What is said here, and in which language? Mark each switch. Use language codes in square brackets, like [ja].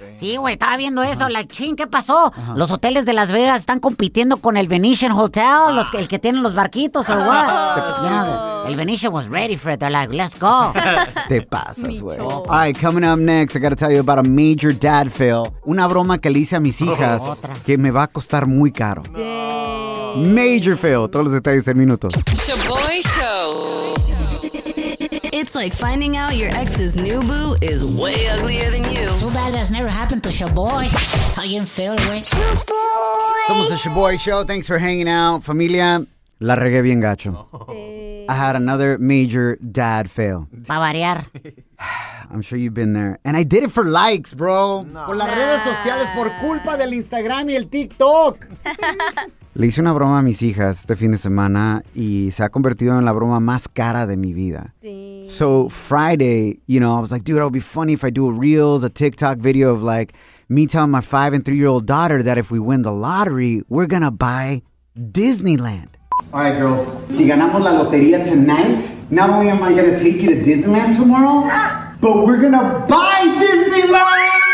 [es] Sí, güey, estaba viendo eso. Like, ching, ¿qué pasó? Los hoteles de Las Vegas están compitiendo con el Venetian Hotel, el que tienen los barquitos [en] or what? El Venetian was ready for it. They're like, let's go. [es] Te pasas, güey. [en] All right, coming up next, I gotta tell you about a major dad fail. [es] Una broma que le hice a mis hijas que me va a costar muy caro. [en] Major fail. [es] Todos los detalles en minutos. [en] Shaboy Show. It's like finding out your ex's new boo is way uglier than you. Too bad that's never happened to Shaboy. How you feel, wey? Shaboy! [es] Somos [en] the Shaboy Show. Thanks for hanging out. [es] Familia, la regué bien gacho. [en] I had another major dad fail. [es] Pa variar. [en] I'm sure you've been there. And I did it for likes, bro. No. [es] Por las redes sociales, por culpa del Instagram y el TikTok. Le hice una broma a mis hijas este fin de semana y se ha convertido en la broma más cara de mi vida. Sí. [en] So Friday, you know, I was like, dude, it would be funny if I do a Reels, a TikTok video of like me telling my 5 and 3 year old daughter that if we win the lottery, we're going to buy Disneyland. All right, girls. [es] Si ganamos la lotería [en] tonight, not only am I going to take you to Disneyland tomorrow, but we're going to buy Disneyland.